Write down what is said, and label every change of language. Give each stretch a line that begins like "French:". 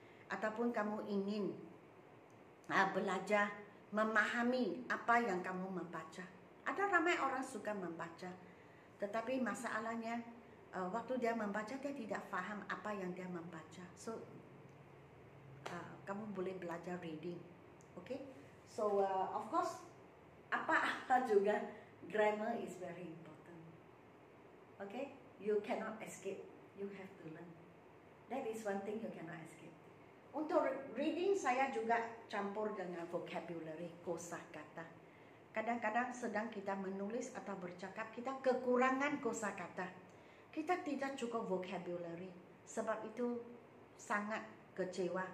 Malay: Ataupun kamu ingin belajar memahami apa yang kamu membaca. Ada ramai orang suka membaca, tetapi masalahnya waktu dia membaca, dia tidak faham apa yang dia membaca. So, kamu boleh belajar reading. Okay?
English: So, of course,
Malay: apa-apa juga,
English: grammar is very important. Okay? You cannot escape. You have to learn. That is one thing you cannot escape.
Malay: Untuk reading, saya juga campur dengan vocabulary, kosakata. Kadang-kadang sedang kita menulis atau bercakap, kita kekurangan kosakata. Kita tidak cukup vocabulary. Sebab itu sangat kecewa.